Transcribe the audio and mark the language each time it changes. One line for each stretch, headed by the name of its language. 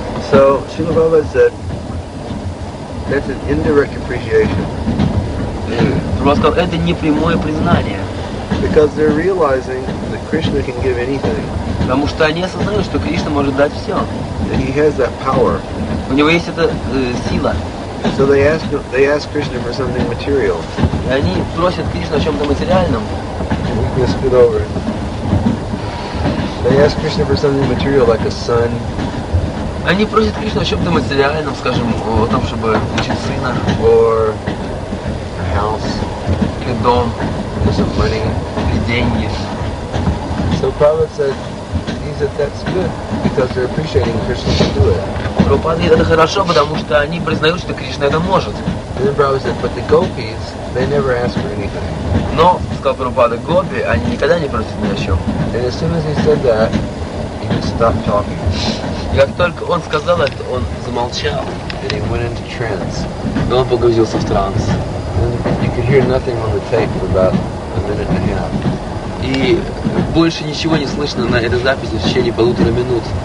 English: So, Srila Prabhupada said, that's an indirect appreciation. Because they're realizing that Krishna can give anything.
Russian: Потому что они осознают, что Кришна может дать все.
English: And he has that power.
Russian: У него есть эта сила.
English: So they ask Krishna for something material.
Russian: И они просят Кришну о чем-то материальном.
English: They ask Krishna for something material, like a son.
Russian: Они просят Кришну о чем-то материальном, скажем, о том, чтобы получить сына.
English: Or a house.
Russian: И дом.
English: Or some money.
Russian: И деньги.
English: So Prabhupada said, that's good because they're appreciating Krishna can do it.
Russian: Рупады, это хорошо, потому что они признают, что Кришна это может.
English: Then Prabhupada said, but the gopis, they never ask for anything.
Russian: Но, сказал Рупады, гопи, они никогда не просят ни о чем.
English: And as soon as he said that, he just stopped talking.
Russian: И как только он сказал это, он замолчал.
English: And he went into trance.
Russian: И он погрузился в транс.
English: And you could hear nothing on the tape for about a minute and a half.
Russian: И больше ничего не слышно на этой записи в течение полутора минут.